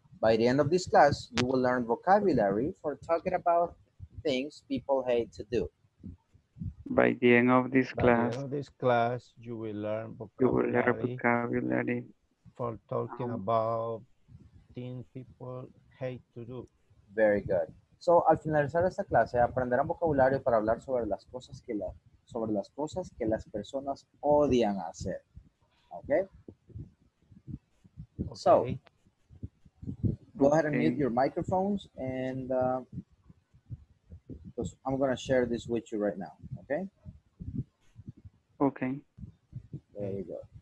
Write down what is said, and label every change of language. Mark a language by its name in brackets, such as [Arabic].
[English] By the end of this class, you will learn vocabulary for talking about things people hate to do. By the end of this class, you will learn vocabulary for talking about things people hate to do. Very good. [Spanish] So, al finalizar esta clase, aprenderán vocabulario para hablar sobre las cosas que las personas odian hacer. [English] Okay? Okay. So, go ahead and mute your microphones, and I'm going to share this with you right now. Okay? Okay. There you go.